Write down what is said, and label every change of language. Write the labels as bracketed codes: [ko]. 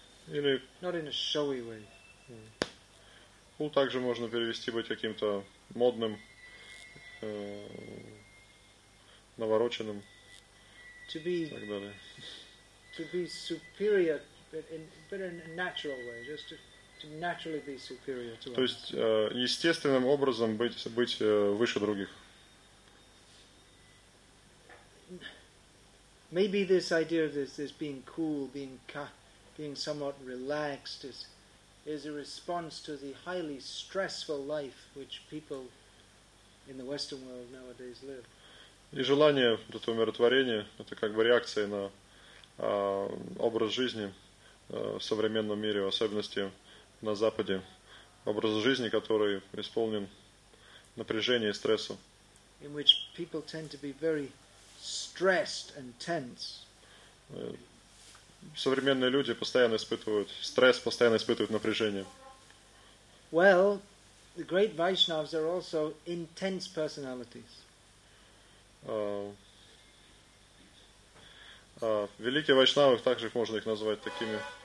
[ru] Или [en] not in a showy way. [ru] Cool также можно перевести быть каким-то модным, навороченным. [en] To be, [ru] так далее. [en] To be superior, but in a natural way, just to naturally be superior to others. [ru] То есть естественным образом быть выше других. [en] Maybe this idea of this being cool, being somewhat relaxed is a response to the highly stressful life which people in the Western world nowadays live. [ru] И желание этого умиротворения – это как бы реакция на образ жизни в современном мире, в особенности на Западе. Образ жизни, который исполнен напряжения и стресса. [en] In which people tend to be very stressed and tense. [ru] современные люди постоянно испытывают стресс, постоянно испытывают напряжение. [en] Well, the great Vaishnavas are also intense personalities. [ru] Великие Вайшнавы, также можно их назвать такими.